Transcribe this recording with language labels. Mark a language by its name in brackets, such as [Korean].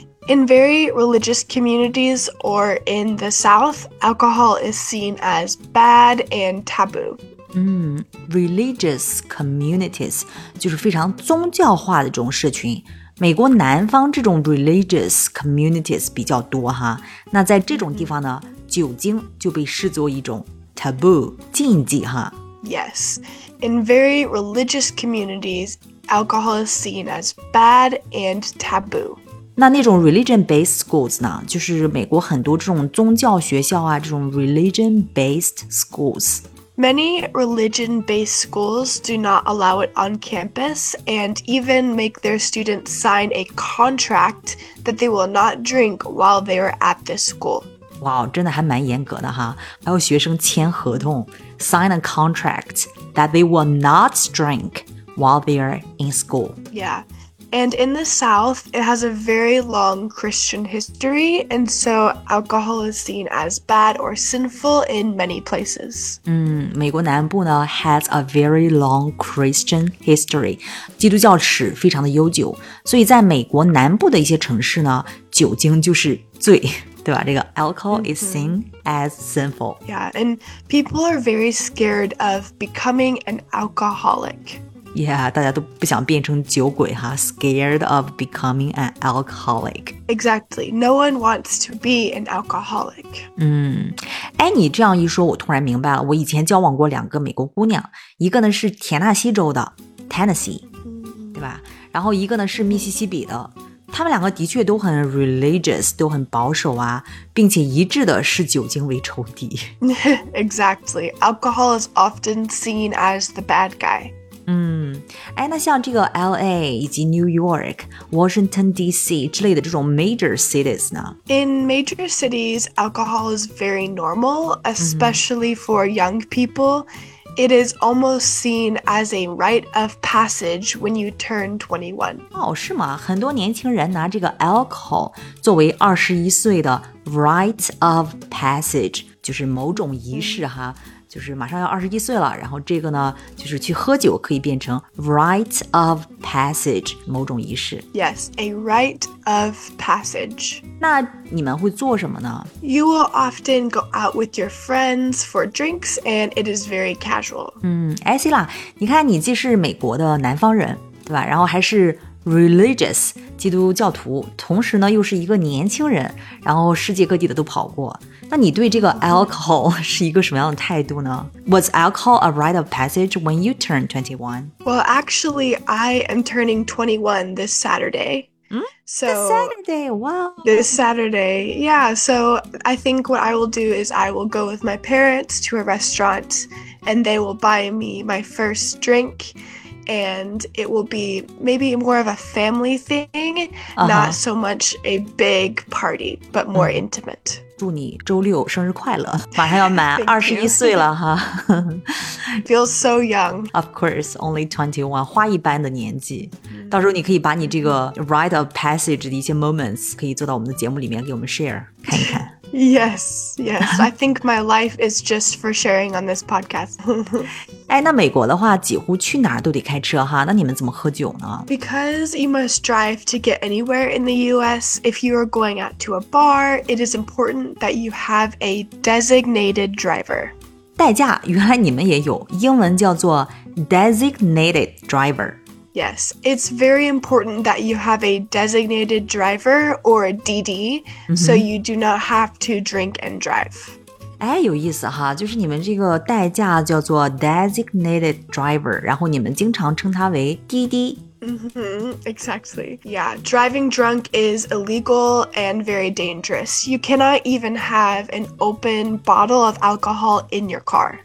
[English] In very religious communities or in the South, alcohol is seen as bad and taboo. Religious communities [Chinese] 就是非常宗教化的这种社群。美国南方这种 religious communities 比较多哈。那在这种地方呢，酒精就被视作一种 taboo, 禁忌哈。 [English] Yes, in very religious communities, alcohol is seen as bad and taboo. [Chinese] 那种 religion-based schools 呢，就是美国很多这种宗教学校啊，这种 religion-based schools. [English] Many religion-based schools do not allow it on campus and even make their students sign a contract that they will not drink while they are at this school. Wow, [Chinese] 真的还蛮严格的哈，还有学生签合同 [English] sign a contract that they will not drink while they are in school. Yeah. And in the South, it has a very long Christian history, and so alcohol is seen as bad or sinful in many places. [Chinese] 美国南部呢 [English] has a very long Christian history. [Chinese] 基督教史非常的悠久，所以在美国南部的一些城市呢，酒精就是罪，对吧？这个 [English] alcohol is seen as sinful. Yeah, and people are very scared of becoming an alcoholic. [Chinese] Yeah, 大家都不想变成酒鬼哈 [English] scared of becoming an alcoholic. Exactly. No one wants to be an alcoholic. [Chinese] 你这样一说我突然明白了，我以前交往过两个美国姑娘，一个呢是田纳西州的 Tennessee, 对吧？然后一个呢是密西西比的，他们两个的确都很 religious, 都很保守啊，并且一致的视酒精为仇敌。 [English] Exactly. Alcohol is often seen as the bad guy. [Chinese] 哎，那像这个 LA 以及 New York, Washington DC 之类的这种 major cities 呢？ [English] In major cities, alcohol is very normal, especially for young people. It is almost seen as a rite of passage when you turn 21. [Chinese] 哦，是吗？很多年轻人拿这个 alcohol 作为21岁的 rite of passage, 就是某种仪式哈。就是马上要21岁了，然后这个呢，就是去喝酒可以变成 rite of passage, 某种仪式。 [English] Yes, a rite of passage. [Chinese] 那你们会做什么呢？ [English] You will often go out with your friends for drinks, and it is very casual. [Chinese] 哎，Sila，你看你既是美国的南方人，对吧？然后还是religious, 基督教徒，同时呢又是一个年轻人，然后世界各地的都跑过。那你对这个 alcohol 是一个什么样的态度呢？ [English] Was alcohol a rite of passage when you turned 21? Well, actually, I am turning 21 this Saturday. This Saturday, yeah. So I think what I will do is I will go with my parents to a restaurant and they will buy me my first drink. And it will be maybe more of a family thing, not so much a big party, but more intimate. [Chinese] 祝你周六生日快乐，马上要满21岁了哈。 [English] Feels so young. Of course, only 21, [Chinese] 花一般的年纪。到时候你可以把你这个 rite of passage 的一些 moments 可以做到我们的节目里面给我们 share, 看一看。 [English] Yes, yes. I think my life is just for sharing on this podcast. [Chinese] 哎，那美国的话，几乎去哪儿都得开车哈。那你们怎么喝酒呢？ [English] Because you must drive to get anywhere in the U.S. If you are going out to a bar, it is important that you have a designated driver. [Chinese] 代驾，原来你们也有，英文叫做 designated driver. [English] Yes, it's very important that you have a designated driver or a DD, so you do not have to drink and drive. [Chinese] 哎，有意思哈，就是你们这个代驾叫做 designated driver, 然后你们经常称它为 DD. [English] Exactly. Yeah, driving drunk is illegal and very dangerous. You cannot even have an open bottle of alcohol in your car.